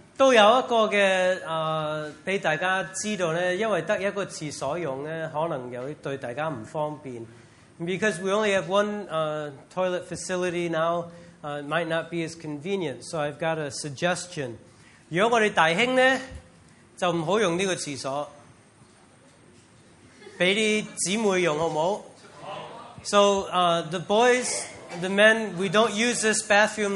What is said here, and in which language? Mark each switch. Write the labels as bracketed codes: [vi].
[yue] 都有一個嘅俾大家知道咧，因為得一個廁所用咧，可能有對大家唔方便。 [en] Because we only have one toilet facility now, it might not be as convenient. So I've got a suggestion. [yue] 如果我哋大兄咧，就唔好用呢個廁所，俾啲姊妹用好唔好？ [en] So the boys, the men, we don't use this bathroom.